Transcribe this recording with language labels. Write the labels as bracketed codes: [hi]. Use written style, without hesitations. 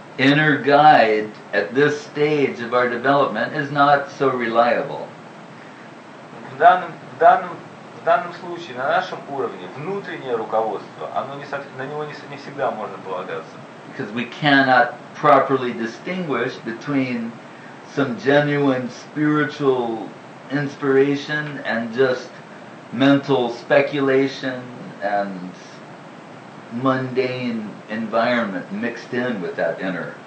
[en] Inner guide at this stage of our development is not so reliable. [ru] В данном случае, на нашем уровне, внутреннее руководство, на него не всегда можно полагаться. [en] Because we cannot properly distinguish between some genuine spiritual inspiration and just mental speculation and mundane environment mixed in with that inner.